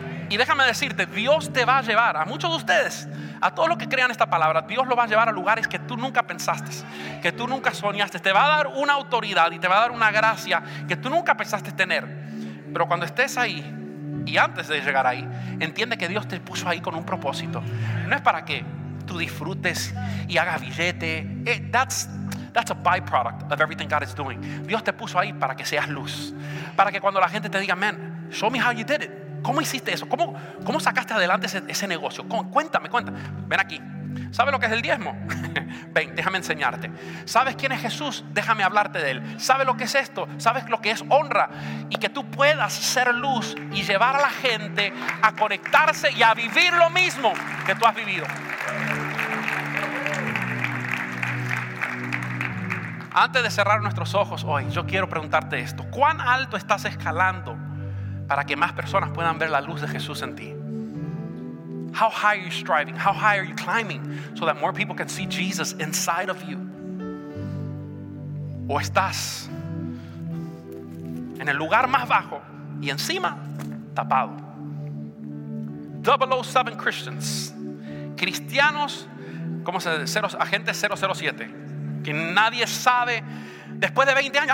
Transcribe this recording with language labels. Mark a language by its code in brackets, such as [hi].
[es] Y déjame decirte, Dios te va a llevar, a muchos de ustedes, a todos los que crean esta palabra, Dios lo va a llevar a lugares que tú nunca pensaste, que tú nunca soñaste. Te va a dar una autoridad y te va a dar una gracia que tú nunca pensaste tener. Pero cuando estés ahí, y antes de llegar ahí, entiende que Dios te puso ahí con un propósito. No es para que tú disfrutes y hagas billete. [en] That's a byproduct of everything God is doing. [es] Dios te puso ahí para que seas luz. Para que cuando la gente te diga, [en] man, show me how you did it. [es] ¿Cómo hiciste eso? ¿Cómo sacaste adelante ese negocio? Cuéntame. Ven aquí. ¿Sabes lo que es el diezmo? Ven, déjame enseñarte. ¿Sabes quién es Jesús? Déjame hablarte de Él. ¿Sabes lo que es esto? ¿Sabes lo que es honra? Y que tú puedas ser luz y llevar a la gente a conectarse y a vivir lo mismo que tú has vivido. Antes de cerrar nuestros ojos hoy, yo quiero preguntarte esto. ¿Cuán alto estás escalando para que más personas puedan ver la luz de Jesús en ti? [en] How high are you striving? How high are you climbing so that more people can see Jesus inside of you? [es] ¿O estás en el lugar más bajo y encima tapado? 007 Christians. Cristianos, ¿cómo se dice? Agentes 007. Que nadie sabe después de 20 años.